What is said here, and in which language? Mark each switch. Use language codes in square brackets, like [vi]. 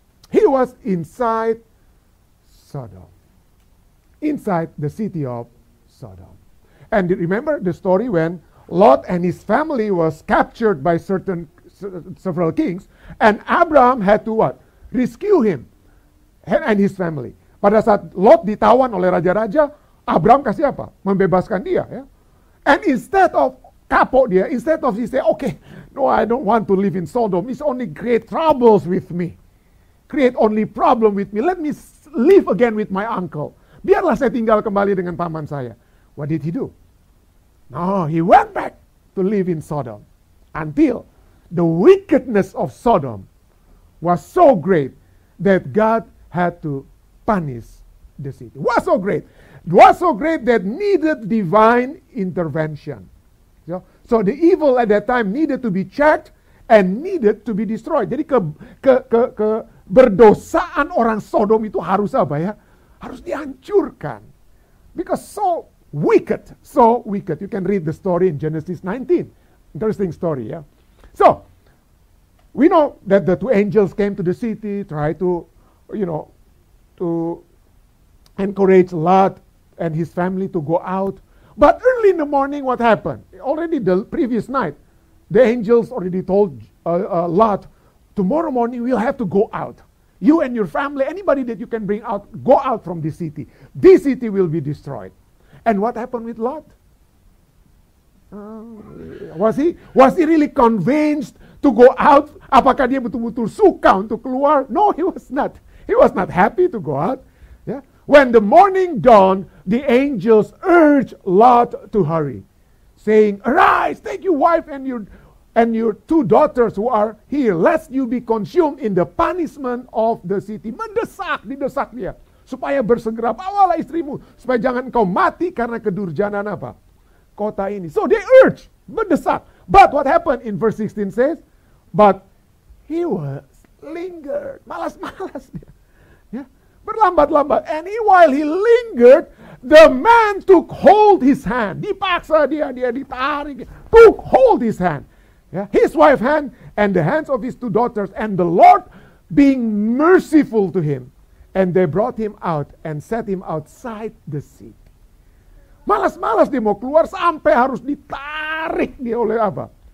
[en] He was inside Sodom. Inside the city of Sodom. And remember the story when Lot and his family was captured by several kings, and Abraham had to what? Rescue him and his family. [id] Pada saat Lot ditawan oleh raja-raja, Abraham kasih apa? Membebaskan dia. Ya? [en] And instead of [id] kapok dia, [en] instead of he say, okay, no, I don't want to live in Sodom. It's only create troubles with me. Create only problem with me. Let me live again with my uncle. [id] Biarlah saya tinggal kembali dengan paman saya. [en] What did he do? No, he went back to live in Sodom until the wickedness of Sodom was so great that God had to punish the city. Was so great. Was so great that needed divine intervention. Yeah? So the evil at that time needed to be checked and needed to be destroyed. [id] Jadi keberdosaan orang Sodom itu harus apa ya? Harus dihancurkan. [en] Because so wicked. You can read the story in Genesis 19. Interesting story, yeah? So, we know that the two angels came to the city, tried to, you know, to encourage Lot and his family to go out. But early in the morning, what happened? Already the previous night, the angels already told Lot, tomorrow morning we'll have to go out. You and your family, anybody that you can bring out, go out from this city. This city will be destroyed. And what happened with Lot? Was he really convinced to go out? [id] Apakah dia betul-betul suka untuk keluar? [en] No, he was not. He was not happy to go out. Yeah. When the morning dawned, the angels urged Lot to hurry, saying, "Arise, take your wife and your two daughters who are here, lest you be consumed in the punishment of the city." [id] Mendesak, didesak dia. Supaya bersegera, bawalah istrimu. Supaya jangan kau mati karena kedurjanan apa? Kota ini. [en] So they urge, mendesak. But what happened in verse 16 says, but he was lingered. [id] Malas-malas dia. Yeah. Berlambat-lambat. [en] And while he lingered, the man took hold his hand. [id] Dipaksa dia ditarik. [en] Took hold his hand. Yeah, his wife's hand and the hands of his two daughters, and the Lord being merciful to him, and they brought him out and set him outside the city. [id] Malas-malas dia mau keluar sampai harus ditarik dia oleh apa?